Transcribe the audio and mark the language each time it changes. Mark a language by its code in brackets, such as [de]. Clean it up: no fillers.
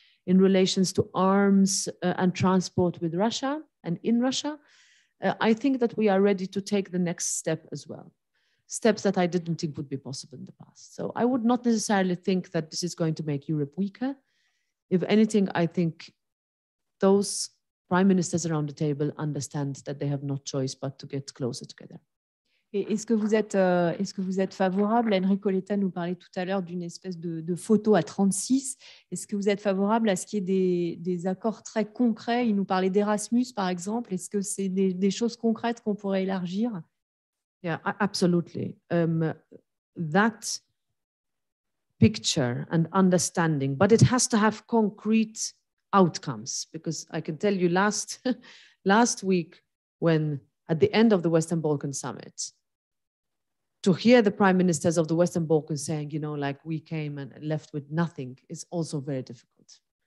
[en] in relations to arms and transport with Russia and in Russia, I think that we are ready to take the next step as well. Steps that I didn't think would be possible in the past. So I would not necessarily think that this is going to make Europe weaker. If anything, I think those prime ministers around the table understand that they have no choice but to get closer together. [fr] Est-ce que vous êtes favorable, Enrico Letta nous parlait tout à l'heure d'une espèce de photo à 36, est-ce que vous êtes favorable à ce qu'il y ait des accords très concrets? Il nous parlait d'Erasmus, par exemple. Est-ce que c'est des choses concrètes qu'on pourrait élargir? [en] Yeah, absolutely. That picture and understanding, but it has to have concrete outcomes, because I can tell you last week when at the end of the Western Balkan summit, to hear the prime ministers of the Western Balkans saying, you know, like we came and left with nothing is also very difficult.